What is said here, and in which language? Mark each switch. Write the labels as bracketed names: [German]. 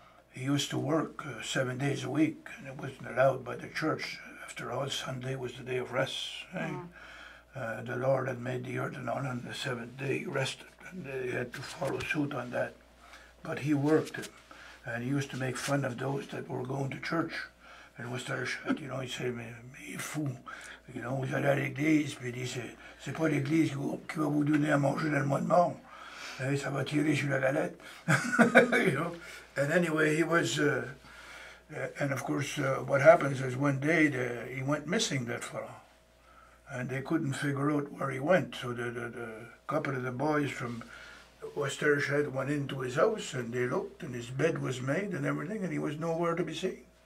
[English] He used to work 7 days a week, and it wasn't allowed by the church. After all, Sunday was the day of rest. The Lord had made the earth and all, on the seventh day he rested, and they had to follow suit on that. But he worked, and he used to make fun of those that were going to church. And was there, you know, he said, [French] "Mais fou, you know, vous allez à l'église, puis dit, c'est pas l'église qui va vous donner à manger dans le mois de mort. Et ça va tirer sur la galette." [English] You know? And anyway, he was, and of course, what happens is one day he went missing, that fellow. And they couldn't figure out where he went. So the couple of the boys from West Ayrshire went into his house, and they looked, and his bed was made and everything, and he was nowhere to be seen.